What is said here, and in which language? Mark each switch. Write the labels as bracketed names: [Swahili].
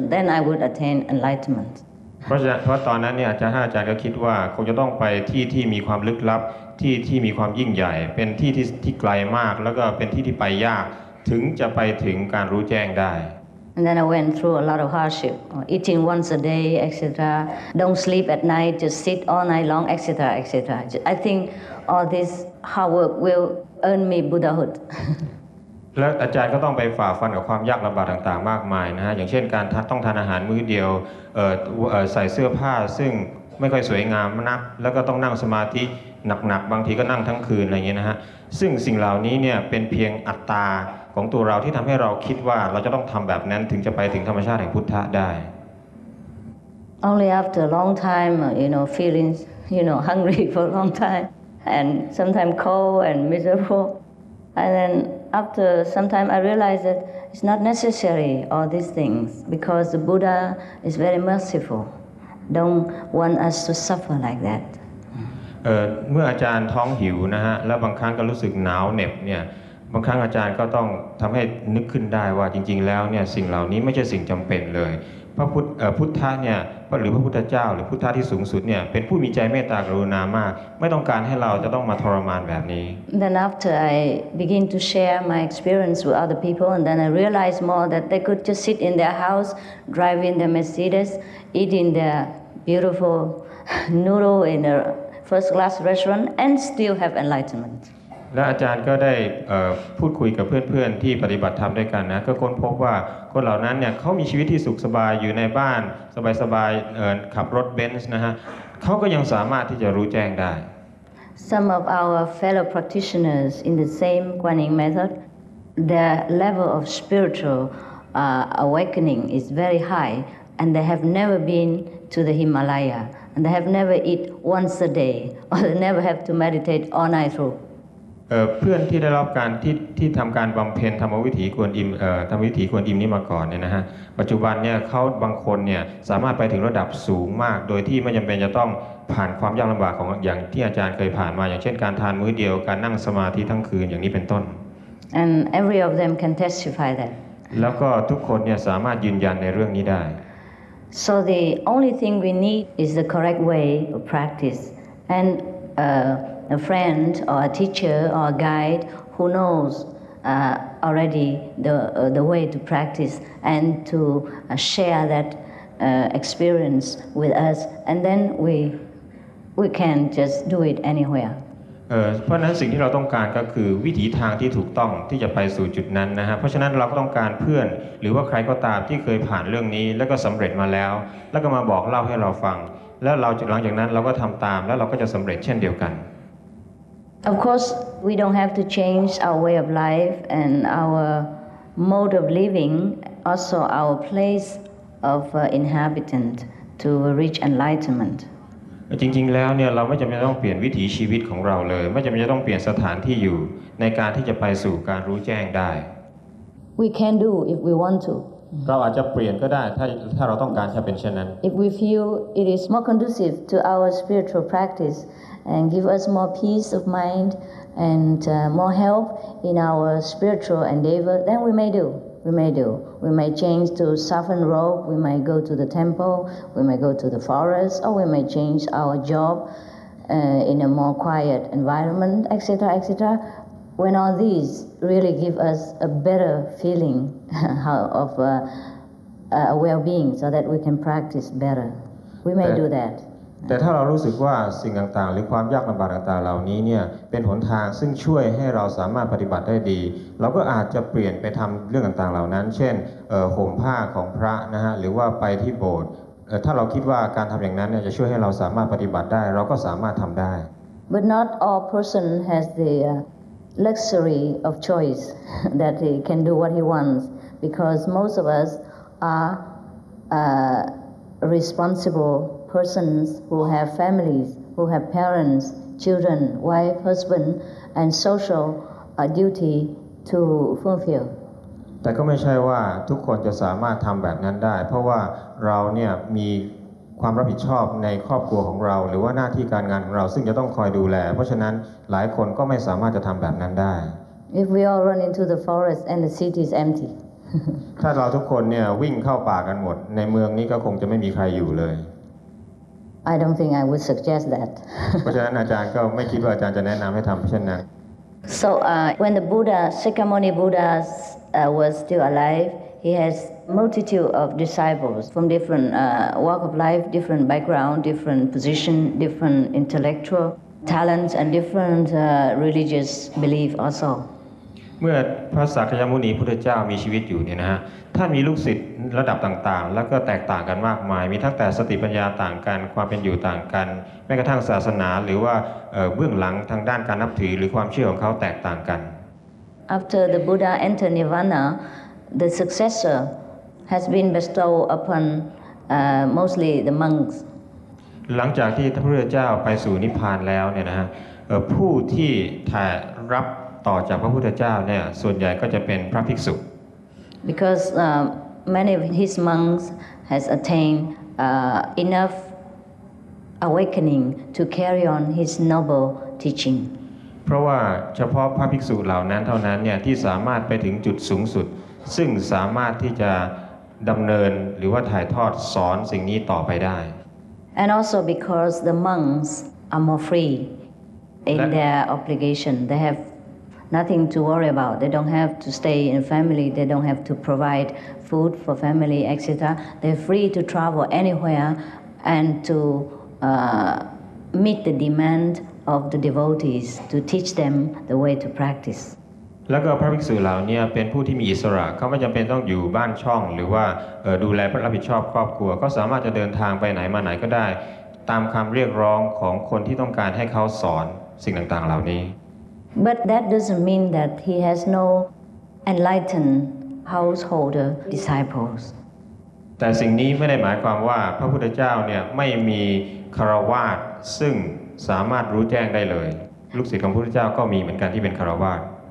[English] Then I would attain enlightenment. [Thai] เพราะตอนนั้นเนี่ยอาจารย์ก็คิดว่าคงจะต้องไปที่มีความลึกลับที่มีความยิ่งใหญ่เป็นที่ไกลมากแล้วก็เป็นที่ไปยากถึงจะไปถึงการรู้แจ้งได้ [English] And then I went through a lot of hardship, eating once a day, etc. Don't sleep at night, just sit all night long, etc., etc. I think all this hard work will earn me Buddhahood. [Thai] แล้วอาจารย์ก็ต้องไปฝ่าฟันกับความยากลำบากต่างๆมากมายนะฮะอย่างเช่นการต้องทานอาหารมื้อเดียวใส่เสื้อผ้าซึ่งไม่ค่อยสวยงามนักแล้วก็ต้องนั่งสมาธิหนักๆบางทีก็นั่งทั้งคืนอะไรเงี้ยนะฮะซึ่งสิ่งเหล่านี้เนี่ยเป็นเพียงอัตตาของตัวเราที่ทำให้เราคิดว่าเราจะต้องทำแบบนั้นถึงจะไปถึงธรรมชาติแห่งพุทธะได้ [English] Only after a long time, you know, feeling, you know, hungry for a long time, and sometimes cold and miserable, and then after some time, I realize that it's not necessary all these things because the Buddha is very merciful, don't want us to suffer like that. [Thai] เมื่ออาจารย์ท้องหิวนะฮะแล้วบางครั้งก็รู้สึกหนาวเหน็บเนี่ยบางครั้งอาจารย์ก็ต้องทำให้นึกขึ้นได้ว่าจริงๆแล้วเนี่ยสิ่งเหล่านี้ไม่ใช่สิ่งจำเป็นเลยพุทธะเนี่ยหรือพระพุทธเจ้าหรือพุทธะที่สูงสุดเนี่ยเป็นผู้มีใจเมตตากรุณามากไม่ต้องการให้เราจะต้องมาทรมานแบบนี้ [English] Then after I begin to share my experience with other people and then I realize more that they could just sit in their house driving their Mercedes eating their beautiful noodle in a first class restaurant and still have enlightenment [Thai] และอาจารย์ก็ได้พูดคุยกับเพื่อนๆที่ปฏิบัติธรรมด้วยกันนะก็ค้นพบว่าคนเหล่านั้นเนี่ยเขามีชีวิตที่สุขสบายอยู่ในบ้านสบายๆขับรถเบนซ์นะฮะเขาก็ยังสามารถที่จะรู้แจ้งได้ [English] Some of our fellow practitioners in the same Guanyin method their level of spiritual awakening is very high and they have never been to the Himalaya and they have never eat once a day or they never have to meditate all night through [Thai] เพื่อนที่ได้รับการที่ทำการบำเพ็ญธรรมวิถีควรอิมธรรมวิถีควรอิมนี้มาก่อนเนี่ยนะฮะปัจจุบันเนี่ยเขาบางคนเนี่ยสามารถไปถึงระดับสูงมากโดยที่ไม่จำเป็นจะต้องผ่านความยากลำบากของอย่างที่อาจารย์เคยผ่านมาอย่างเช่นการทานมื้อเดียวการนั่งสมาธิทั้งคืนอย่างนี้เป็นต้น [English] and every of them can testify that [Thai] แล้วก็ทุกคนเนี่ยสามารถยืนยันในเรื่องนี้ได้ [English] so the only thing we need is the correct way of practice andA friend or a teacher or a guide who knows already the way to practice and to share that experience with us and then we can just do it anywhere. [Thai] เพราะฉะนั้นสิ่งที่เราต้องการก็คือวิถีทางที่ถูกต้องที่จะไปสู่จุดนั้นนะฮะเพราะฉะนั้นเราก็ต้องการเพื่อนหรือว่าใครก็ตามที่เคยผ่านเรื่องนี้แล้วก็สำเร็จมาแล้วแล้วก็มาบอกเล่าให้เราฟังแล้วเราหลังจากนั้นเราก็ทำตามแล้วเราก็จะสำเร็จเช่นเดียวกัน [English] Of course, we don't have to change our way of life and our mode of living, also our place of inhabitant to reach enlightenment. [Thai] จริงๆแล้วเนี่ยเราไม่จำเป็นต้องเปลี่ยนวิถีชีวิตของเราเลยไม่จำเป็นจะต้องเปลี่ยนสถานที่อยู่ในการที่จะไปสู่การรู้แจ้งได้ [English] We can do if we want to. [Thai] เราอาจจะเปลี่ยนก็ได้ถ้าเราต้องการจะเป็นเช่นนั้น [English] If we feel it is more conducive to our spiritual practice and give us more peace of mind and more help in our spiritual endeavor, then we may do. We may do. We may change to southern robe. We may go to the temple. We may go to the forest, or we may change our job in a more quiet environment, etc., etc. When all these really give us a better feeling of a well-being, so that we can practice better, we may do that. [Thai] แต่ถ้าเรารู้สึกว่าสิ่งต่างๆหรือความยากลำบากต่างๆเหล่านี้เนี่ยเป็นหนทางซึ่งช่วยให้เราสามารถปฏิบัติได้ดีเราก็อาจจะเปลี่ยนไปทำเรื่องต่างๆเหล่านั้นเช่นห่มผ้าของพระนะฮะหรือว่าไปที่โบสถ์ถ้าเราคิดว่าการทำอย่างนั้นเนี่ยจะช่วยให้เราสามารถปฏิบัติได้เราก็สามารถทำได้ [English] But not all person has the luxury of choice that he can do what he wants because most of us are responsible. Persons who have families, who have parents, children, wife, husband, and social duty to fulfill. [Thai] แต่ก็ไม่ใช่ว่าทุกคนจะสามารถทำแบบนั้นได้เพราะว่าเราเนี่ยมีความรับผิดชอบในครอบครัวของเราหรือว่าหน้าที่การงานของเราซึ่งจะต้องคอยดูแลเพราะฉะนั้นหลายคนก็ไม่สามารถจะทำแบบนั้นได้ [English] If we all run into the forest and the city is empty. [Thai] ถ้าเราทุกคนเนี่ยวิ่งเข้าป่ากันหมดในเมืองนี้ก็คงจะไม่มีใครอยู่เลย [English] I don't think I would suggest that. [Thai] เพราะฉะนั้นอาจารย์ก็ไม่คิดว่าอาจารย์จะแนะนำให้ทำเช่นนั้น [English] So when the Buddha, Shakyamuni Buddha was still alive, he has multitude of disciples from different walk of life, different background, different position, different intellectual talents, and different religious belief also. [Thai] เมื่อพระสักยมุนีพุทธเจ้ามีชีวิตอยู่เนี่ยนะฮะท่านมีลูกศิษย์ระดับต่างๆแล้วก็แตกต่างกันมากมายมีทั้งแต่สติปัญญาต่างกันความเป็นอยู่ต่างกันแม้กระทั่งศาสนาหรือว่าเบื้องหลังทางด้านการนับถือหรือความเชื่อของเขาแตกต่างกัน [English] After the Buddha entered Nirvana the successor has been bestowed upon mostly the monks [Thai] หลังจากที่พระพุทธเจ้าไปสู่นิพพานแล้วเนี่ยนะฮะผู้ที่ถ่ายรับต่อจากพระพุทธเจ้าเนี่ยส่วนใหญ่ก็จะเป็นพระภิกษุ [English] Because many of his monks has attained enough awakening to carry on his noble teaching. [Thai] เพราะว่าเฉพาะพระภิกษุเหล่านั้นเท่านั้นเนี่ยที่สามารถไปถึงจุดสูงสุดซึ่งสามารถที่จะดำเนินหรือว่าถ่ายทอดสอนสิ่งนี้ต่อไปได้ [English] And also because the monks are more free in their obligation, they haveNothing to worry about. They don't have to stay in a family. They don't have to provide food for family, etc. They're free to travel anywhere and to meet the demand of the devotees to teach them the way to practice. [Thai] แล้วก็พระภิกษุเหล่านี้เป็นผู้ที่มีอิสระเขาไม่จำเป็นต้องอยู่บ้านช่องหรือว่าดูแลรับผิดชอบครอบครัวก็สามารถจะเดินทางไปไหนมาไหนก็ได้ตามคำเรียกร้องของคนที่ต้องการให้เขาสอนสิ่งต่างๆเหล่านี้ [English] But that doesn't mean that he has no enlightened householder disciples. [Thai] แต่สิ่งนี้ไม่ได้หมายความว่าพระพุทธเจ้าเนี่ยไม่มีคารวาสซึ่งสามารถรู้แจ้งได้เลยลูกศิษย์ของพระพุทธเจ้าก็มีเหมือนกันที่เป็นคารวาส